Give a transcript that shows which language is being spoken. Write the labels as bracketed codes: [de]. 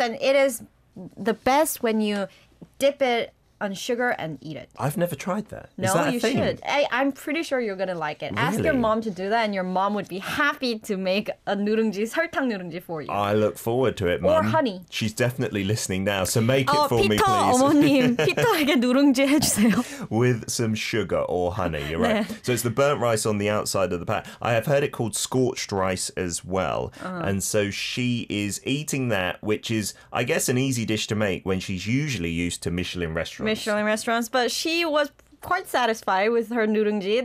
[en] And it is the best when you dip it on sugar and eat it. I've never tried that. No, is that a you thing? Should. Hey, I'm pretty sure you're going to like it. Really? Ask your mom to do that and your mom would be happy to make a nurungji, [ko] 설탕 [en] nurungji for you. I look forward to it, mom. Or honey. She's definitely listening now, so make it for Peter, me, please. [ko] 어머님, 피터에게 누룽지 해주세요. [en] With some sugar or honey, you're right. 네. So it's the burnt rice on the outside of the pan. I have heard it called scorched rice as well. And so she is eating that, which is, I guess, an easy dish to make when she's usually used to Michelin restaurants. Michelin restaurants, but she was quite satisfied with her nurungji.